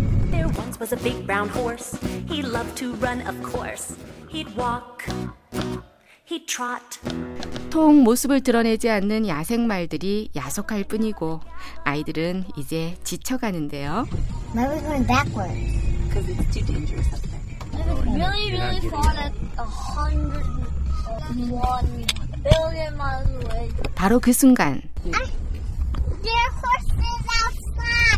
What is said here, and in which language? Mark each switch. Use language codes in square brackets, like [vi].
[en] There once was a big brown horse. He loved to run, of course. He'd walk. He trot. [ko] 통 모습을 드러내지 않는 야생말들이 야속할 뿐이고 아이들은 이제 지쳐가는데요. [en] Maybe we're going backwards. Because it's too dangerous up there. Maybe really, really far at 101 billion miles away. [ko] 바로 그 순간. [en] There are horses outside.